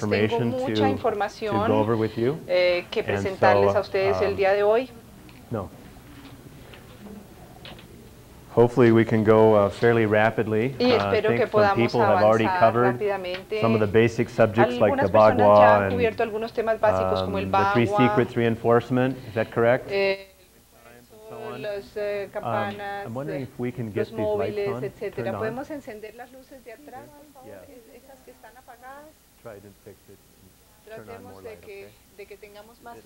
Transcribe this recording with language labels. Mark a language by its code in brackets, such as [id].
[es] Tengo mucha información que presentarles a ustedes el día de hoy. [en] Hopefully we can go fairly rapidly. I think some people have already covered some of the basic subjects like the Bagua and the three secret reinforcement. Is that correct? I'm wondering if we can get these lights on. [es] ¿Podemos encender las luces de atrás, por favor? Esas que están apagadas. [en] Try to fix it. [es] Tratemos de que tengamos más luz.